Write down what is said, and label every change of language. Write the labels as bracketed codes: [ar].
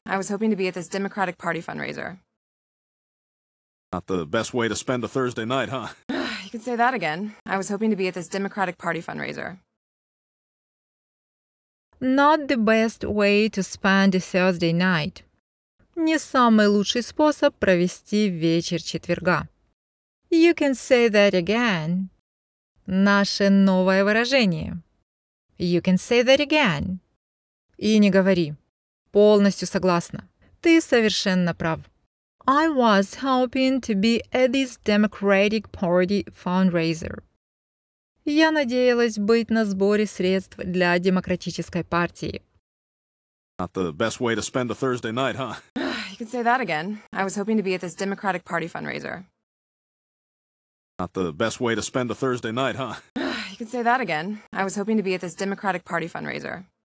[en] I was hoping to be at this Democratic Party fundraiser. Not the best way to spend a Thursday night, huh? You can say that again. I was hoping to be at this Democratic Party fundraiser. Not the best way to spend a Thursday night. [ru] Не самый лучший способ провести вечер четверга. [en] You can say that again. [ru] Наше новое выражение. [en] You can say that again. [ru] И не говори. Полностью согласна. Ты совершенно прав. [en] I was hoping to be at this Democratic Party fundraiser. [ru] Я надеялась быть на сборе средств для Демократической партии. [en] Not the best way to spend a Thursday night, huh? You can say that again. I was hoping to be at this Democratic Party fundraiser. Not the best way to spend a Thursday night, huh? You can say that again. I was hoping to be at this Democratic Party fundraiser.